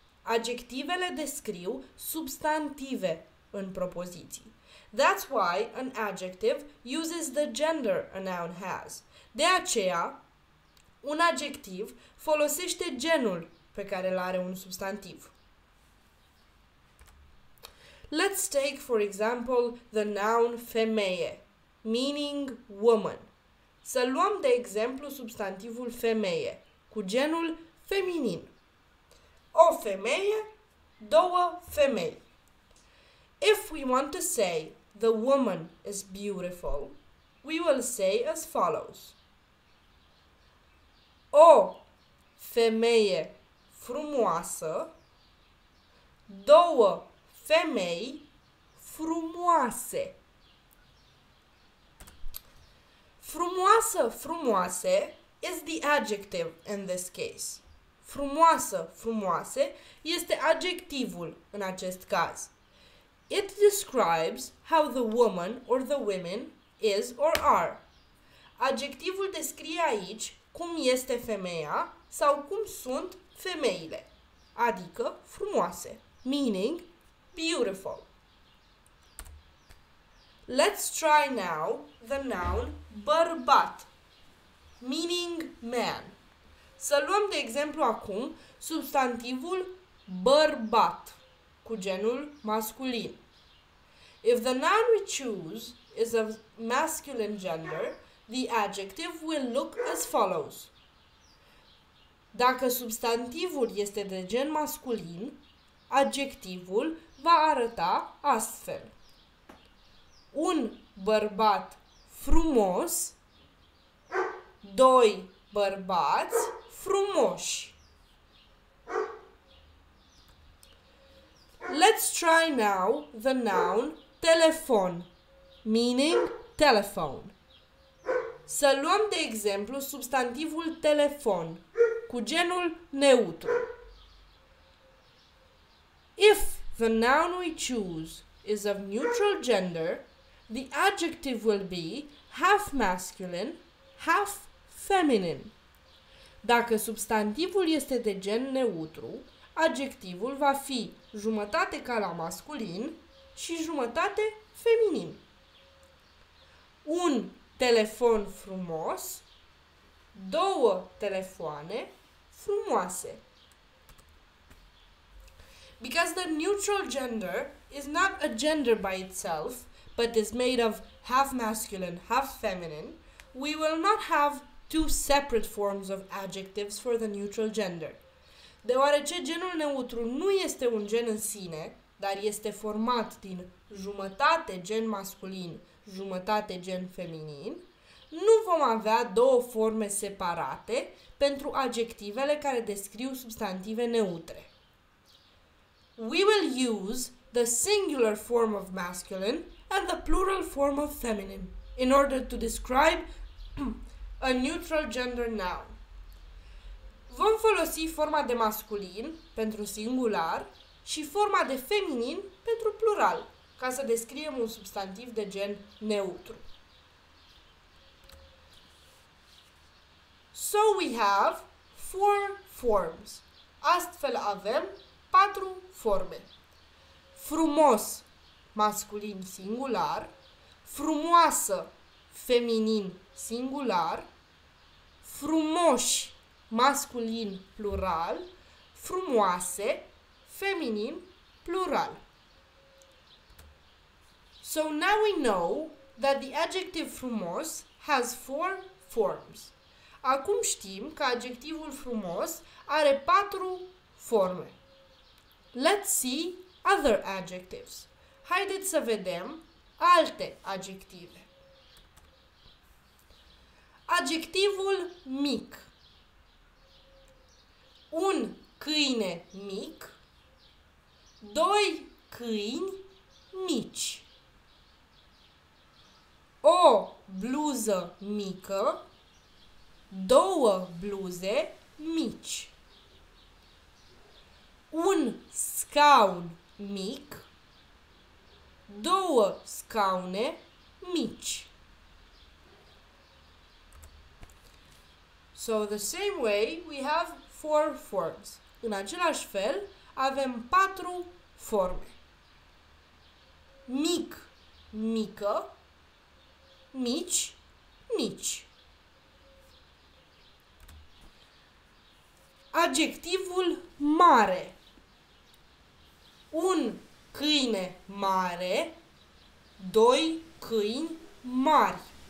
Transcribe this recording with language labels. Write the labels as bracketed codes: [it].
[ro] Adjectivele descriu substantive în propoziții. [en] That's why an adjective uses the gender a noun has. [ro] De aceea, un adjectiv folosește genul pe care îl are un substantiv. [en] Let's take, for example, the noun femeie, meaning woman. [ro] Să luăm de exemplu substantivul femeie, cu genul feminin. O femeie, două femei. [en] If we want to say the woman is beautiful, we will say as follows. [ro] O femeie frumoasă, două femei frumoase. [en] Frumoasă, frumoase is the adjective in this case. [ro] Frumoasă, frumoase este adjectivul în acest caz. [en] It describes how the woman or the women is or are. [ro] Adjectivul descrie aici cum este femeia sau cum sunt femeile, adică frumoase, [en] meaning beautiful. Let's try now the noun bărbat, meaning man. [ro] Să luăm de exemplu acum substantivul bărbat cu genul masculin. [en] If the noun we choose is of masculine gender, the adjective will look as follows. [ro] Dacă substantivul este de gen masculin, adjectivul va arăta astfel. Un bărbat frumos, doi bărbați frumoși. [en] Let's try now the noun telefon, meaning telephone. [ro] Să luăm de exemplu substantivul telefon cu genul neutru. [en] If the noun we choose is of neutral gender, the adjective will be half masculine, half feminine. [ro] Dacă substantivul este de gen neutru, adjectivul va fi jumătate ca la masculin și jumătate feminin. Un telefon frumos, două telefoane frumoase. [en] Because the neutral gender is not a gender by itself, but is made of half masculine, half feminine, we will not have two separate forms of adjectives for the neutral gender. [ro] Deoarece genul neutru nu este un gen în sine, dar este format din jumătate gen masculin, jumătate gen feminin, nu vom avea două forme separate pentru adjectivele care descriu substantive neutre. [en] We will use the singular form of masculine and the plural form of feminine in order to describe a neutral gender noun. [ro] Vom folosi forma de masculin pentru singular și forma de feminin pentru plural, ca să descriem un substantiv de gen neutru. [en] So we have four forms. [ro] Astfel avem patru forme. Frumos, masculin singular, frumoasă, feminin singular, frumoși, masculin plural, frumoase, feminin plural. [en] So now we know that the adjective frumos has four forms. [ro] Acum știm că adjectivul frumos are patru forme. [en] Let's see other adjectives. [ro] Haideți să vedem alte adjective. Adjectivul mic. Un câine mic. Doi câini mici. O bluză mică. Două bluze mici. Un scaun mic. Două scaune mici. [en] So the same way we have four forms. [ro] În același fel avem patru forme. Mic, mică. Mici, mici. Adjectivul mare. Un câine mare, doi câini mari.